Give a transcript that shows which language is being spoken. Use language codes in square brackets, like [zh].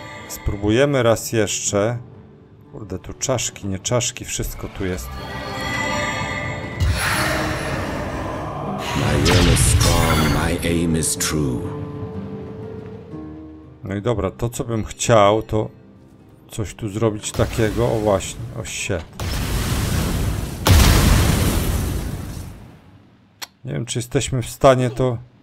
[pl] Spróbujemy raz jeszcze. Kurde, tu czaszki, nie czaszki, wszystko tu jest. [en] My will is strong, my aim is true. [pl] No i dobra, to co bym chciał, to coś tu zrobić takiego. O właśnie, o shit. Nie wiem, czy jesteśmy w stanie to.